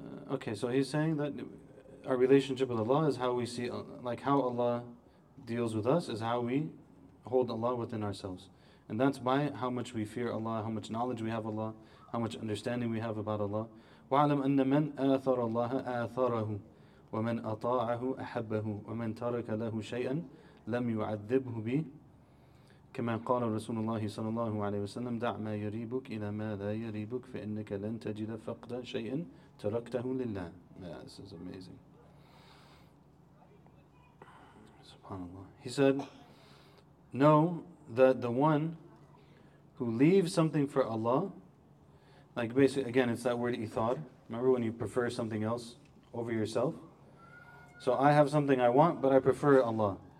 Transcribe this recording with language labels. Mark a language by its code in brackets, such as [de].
[en] Okay, so he's saying that our relationship with Allah is how we see, like how Allah deals with us is how we hold Allah within ourselves. And that's by how much we fear Allah, how much knowledge we have Allah, how much understanding we have about Allah. [ar] وَعَلَمْ أَنَّ مَنْ أَثَرَ اللَّهَ أَثَرَهُ وَمَنْ أَطَاعَهُ أَحَبَّهُ وَمَنْ تَرَكَ لَهُ شَيْئًا لَمْ يُعَذِّبْهُ بِهِ كما قال رسول الله صلى الله عليه وسلم دع ما يريبك إلى ما لا يريبك فإنك لن تجد فقد شيء تركته لله. [en] Yeah, this is amazing. SubhanAllah. He said, know that the one who leaves something for Allah, like basically, again, it's that word ithar. Remember when you prefer something else over yourself? So I have something I want, but I prefer Allah.